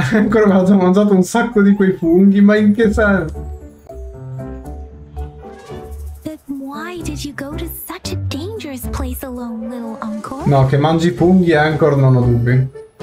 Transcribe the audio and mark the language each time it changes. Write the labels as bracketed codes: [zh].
[it] Ancora mi ha già mangiato un sacco di quei funghi, ma in che senso? [en] But why did you go to such a dangerous place alone, little Encore? [it] No, che mangi funghi, Encore, non ho dubbi.